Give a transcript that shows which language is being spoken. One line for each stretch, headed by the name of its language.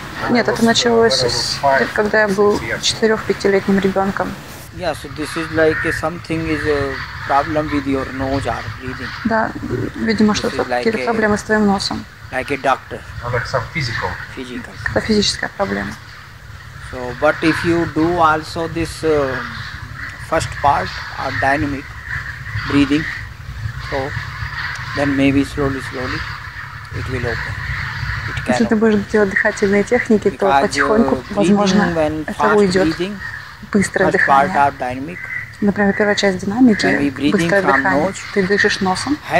Russian: Нет, это началось, когда я был 4-5-летним ребенком.
English: Yeah, so this is like something is a problem with your nose or breathing.
Russian: Да, видимо, что-то какие-то проблемы с твоим носом.
English: Like a doctor. Like some physical. Physical.
Russian: Это физическая проблема.
English: So, but if you do also this first part or dynamic breathing, so then maybe slowly it will open.
Russian: Если ты будешь делать дыхательные техники, то потихоньку, возможно, это уйдет. Быстрое дыхание. Например, первая часть динамики, быстрое дыхание. Ты дышишь носом.